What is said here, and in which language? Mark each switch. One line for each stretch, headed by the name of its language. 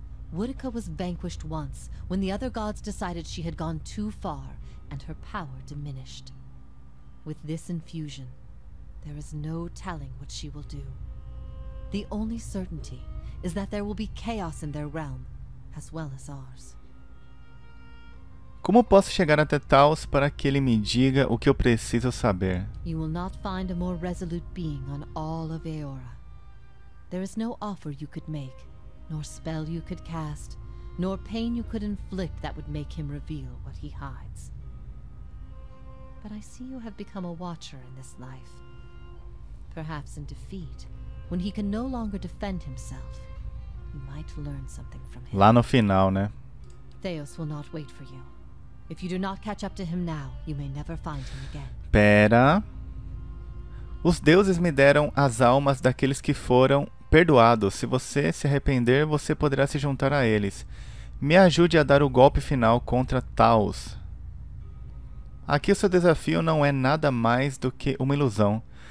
English: Whitaker was vanquished once when the other gods decided she had gone too far and her power diminished. With this infusion, there is no telling what she will do. The only certainty is that there will be chaos in their realm, as well as ours.
Portuguese: Como posso chegar até Taos para que ele me diga o que eu preciso saber?
English: You will not find a more resolute being on all of Eora. There is no offer you could make, nor spell you could cast, nor pain you could inflict that would make him reveal what he hides. But I see you have become a watcher in this life. Perhaps in defeat, when he can no longer defend himself, you might learn something from him.
Portuguese: Lá no final, né?
English: Theos will not wait for you. If you do not catch up to him now, you may never find him again.
Portuguese: Pera. Os deuses me deram as almas daqueles que foram perdoados. Se você se arrepender, você poderá se juntar a eles. Me ajude a dar o golpe final contra Taos. Aqui o seu desafio não é nada mais do que uma ilusão.